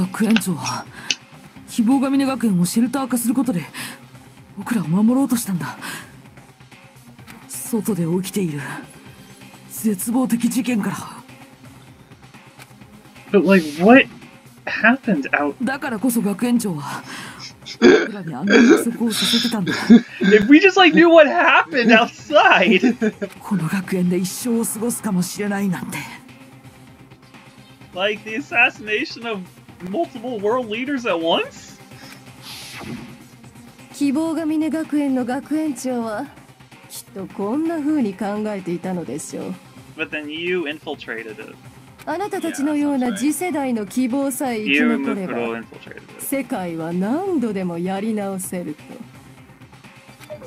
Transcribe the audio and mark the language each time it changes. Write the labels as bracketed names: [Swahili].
[Japanese] 学園長は希望ヶ峰学園をシェルター化することで僕らを守ろうとしたんだ。外で起きている絶望的事件から。 [English] But like what? Happened out. [Japanese] だからこそ学園長は僕らに安全約束をさせてたんだ。 [English] If we just like knew what happened outside. [Japanese] この学園で一生を過ごすかもしれないなんて。 [English] Like the assassination of multiple world leaders at once? [Japanese] 希望ヶ峰学園の学園長はきっとこんな風に考えていたのでしょう。 [English] But then you infiltrated it. [Japanese] あなたたちのような次世代の希望さえ生き残れば、世界は何度でもやり直せると。